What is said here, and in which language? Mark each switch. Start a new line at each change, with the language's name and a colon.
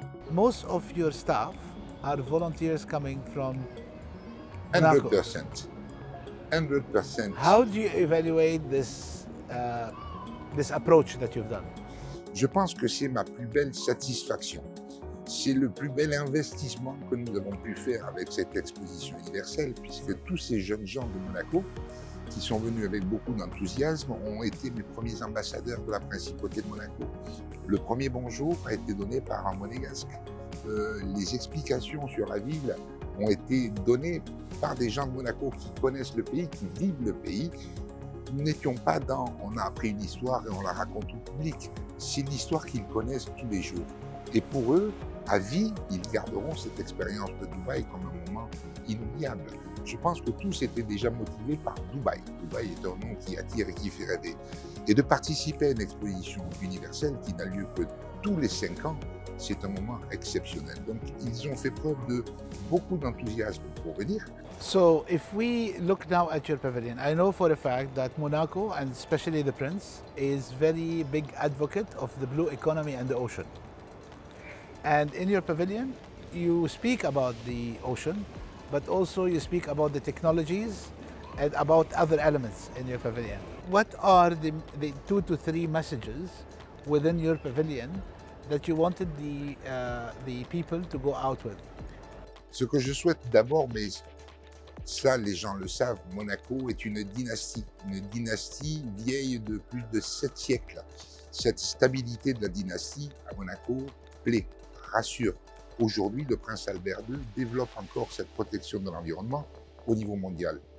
English: Most of your staff are volunteers coming from Monaco. 100%. 100%. How do you evaluate this this approach that you've done?
French: Je pense que c'est ma plus belle satisfaction. C'est le plus bel investissement que nous avons pu faire avec cette exposition universelle, puisque tous ces jeunes gens de Monaco, qui sont venus avec beaucoup d'enthousiasme, ont été mes premiers ambassadeurs de la Principauté de Monaco. Le premier bonjour a été donné par un monégasque. Les explications sur la ville ont été données par des gens de Monaco qui connaissent le pays, qui vivent le pays. Nous n'étions pas dans « on a appris une histoire et on la raconte au public ». C'est l'histoire qu'ils connaissent tous les jours. Et pour eux, à vie, ils garderont cette expérience de Dubaï comme un moment inoubliable. Je pense que tous étaient déjà motivés par Dubaï. Dubaï est un nom qui attire et qui fait rêver. Et de participer à une exposition universelle qui n'a lieu que tous les 5 ans, c'est un moment exceptionnel. Donc, ils ont fait preuve de beaucoup d'enthousiasme pour venir.
English: So, if we look now at your pavilion, I know for a fact that Monaco, and especially the Prince, is very big advocate of the blue economy and the ocean. And in your pavilion, you speak about the ocean, but also you speak about the technologies and about other elements in your pavilion. What are the 2 to 3 messages within your pavilion that you wanted the people to go out with?
French: Ce que je souhaite d'abord, mais ça les gens le savent, Monaco est une dynastie vieille de plus de 7 siècles. Cette stabilité de la dynastie à Monaco plaît. Rassure. Aujourd'hui, le prince Albert II développe encore cette protection de l'environnement au niveau mondial.